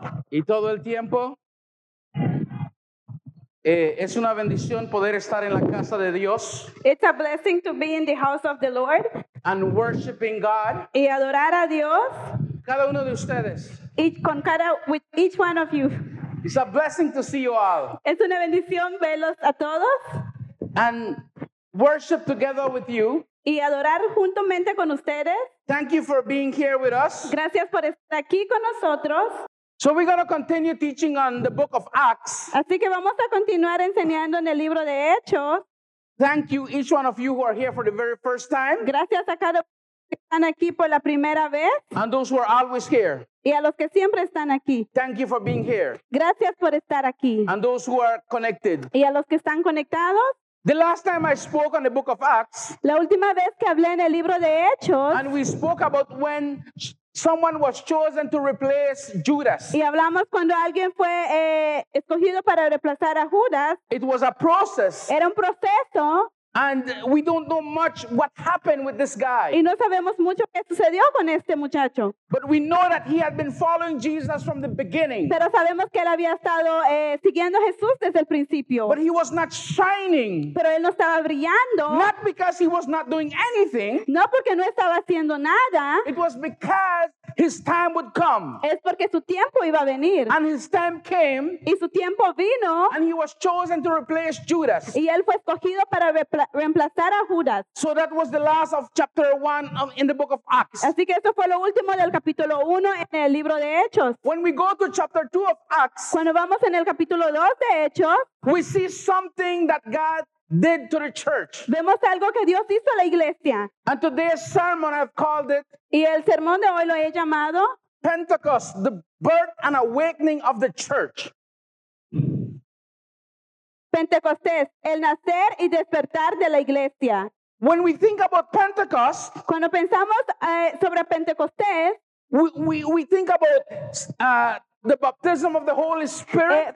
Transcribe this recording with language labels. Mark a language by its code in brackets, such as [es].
[es] Y todo el tiempo es una bendición poder estar en la casa de Dios. [en] It's a blessing to be in the house of the Lord. And worshiping God. [es] Y adorar a Dios. Cada uno de ustedes. [en] With each one of you. It's a blessing to see you all. [es] Es una bendición verlos a todos. [en] And worship together with you. [es] Y adorar juntamente con ustedes. [en] Thank you for being here with us. [es] Gracias por estar aquí con nosotros. [en] So we're going to continue teaching on the book of Acts. [es] Así que vamos a continuar enseñando en el libro de Hechos. [en] Thank you, each one of you who are here for the very first time. [es] Gracias a cada uno que están aquí por la primera vez. [en] And those who are always here. [es] Y a los que siempre están aquí. [en] Thank you for being here. [es] Gracias por estar aquí. [en] And those who are connected. [es] Y a los que están conectados. [en] The last time I spoke on the book of Acts. [es] La última vez que hablé en el libro de Hechos. [en] And we spoke about when someone was chosen to replace Judas. [es] Y hablamos cuando alguien fue escogido para reemplazar a Judas. [en] It was a process. [es] Era un proceso. [en] And we don't know much what happened with this guy. [es] Y no sabemos mucho qué sucedió con este muchacho. [en] But we know that he had been following Jesus from the beginning. [es] Pero sabemos que él había estado siguiendo a Jesús desde el principio. [en] But he was not shining. [es] Pero él no estaba brillando. [en] Not because he was not doing anything. [es] No porque no estaba haciendo nada. [en] It was because his time would come. [es] Es porque su tiempo iba a venir. [en] And his time came. [es] Y su tiempo vino. [en] And he was chosen to replace Judas. [es] Y él fue escogido para reemplazar a Judas. [en] So that was the last of chapter 1 in the book of Acts. [es] Así que eso fue lo último del capítulo 1 en el libro de Hechos. [en] When we go to chapter 2 of Acts, [es] cuando vamos en el capítulo 2 de Hechos, [en] we see something that God did to the church. [es] Vemos algo que Dios hizo a la iglesia. [en] And today's sermon I've called it, [es] y el sermón de hoy lo he llamado [en] Pentecost, the birth and awakening of the church. [es] Pentecostés, el nacer y despertar de la iglesia. [en] When we think about Pentecost, [es] cuando pensamos sobre Pentecostés, [en] we think about the baptism of the Holy Spirit.